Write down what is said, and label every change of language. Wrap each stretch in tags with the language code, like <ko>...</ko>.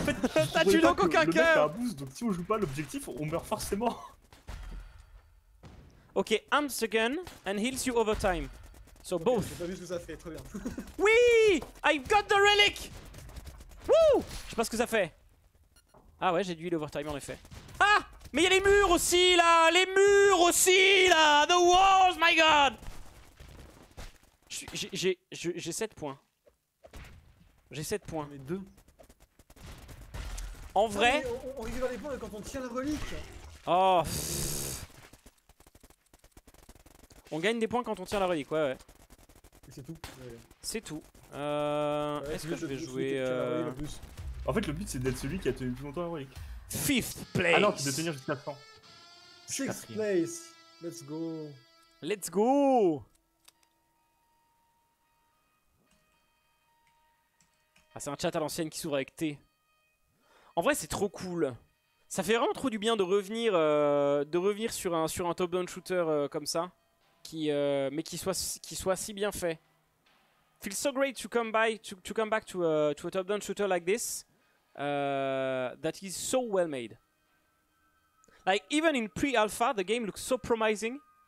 <fr>fait t'as tué donc aucun cœur. Le mec a un boost donc si on joue pas l'objectif on meurt forcément.</fr> <en>Ok, arms again and heals you over time. So okay, both.</en> <fr>J'ai pas vu ce que ça fait, très bien. Oui,</fr> <en>I got the relic. Wouh.</en> <fr>Je sais pas ce que ça fait. Ah ouais, j'ai du heal over time en effet. Ah, mais y'a les murs aussi là. Les murs aussi là.</fr> <en>The walls, my god.</en> <fr>J'ai 7 points. J'ai 7 points. Mais 2. En vrai. Non, on récupère les points quand on tient la relique. Oh. On gagne des points quand on tient la relique, ouais. Et c'est tout. Ouais. C'est tout. Ouais, est-ce que je vais jouer. En fait, le but c'est d'être celui qui a tenu le plus longtemps la relique.</fr> <en>5th place.</en> <fr>Ah non, c'est de tenir jusqu'à 100.</fr> <en>6th place. Let's go. Let's go.</en> <fr>Ah, c'est un chat à l'ancienne qui s'ouvre avec T. En vrai, c'est trop cool. Ça fait vraiment trop du bien de revenir sur un top-down shooter comme ça. Qui soit si bien fait.</fr> <en>Feels so great to come back to a top-down shooter like this. That is so well made. Like, even in pre-alpha, the game looks so promising.</en>